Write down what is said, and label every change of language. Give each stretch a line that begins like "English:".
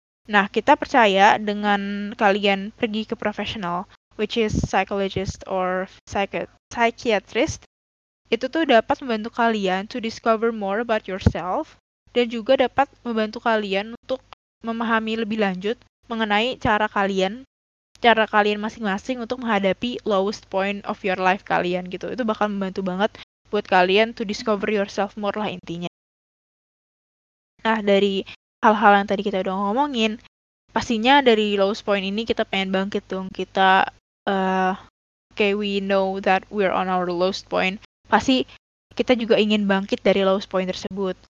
Indonesian: Nah, kita percaya dengan kalian pergi ke profesional,
English: which is psychologist or psychiatrist,
Indonesian: itu tuh dapat membantu kalian
English: to discover more about yourself,
Indonesian: dan juga dapat membantu kalian untuk memahami lebih lanjut mengenai cara kalian masing-masing untuk menghadapi
English: lowest point of your life
Indonesian: kalian gitu. Itu bakal membantu banget buat kalian
English: to discover yourself more
Indonesian: lah intinya. Nah, dari hal-hal yang tadi kita udah ngomongin, pastinya dari lowest point ini kita pengen bangkit dong. Kita
English: we know that we're on our lowest point.
Indonesian: Pasti kita juga ingin bangkit dari lowest point tersebut.